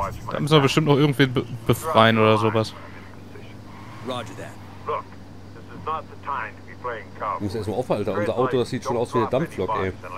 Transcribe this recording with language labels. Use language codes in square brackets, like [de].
[de] Da müssen wir bestimmt noch irgendwie befreien oder sowas. [en] Roger that. Look, this is not the time to be playing cowboy. [de] Wir müssen erstmal aufhören, Alter. Unser Auto, das sieht schon aus wie eine Dampflok, ey.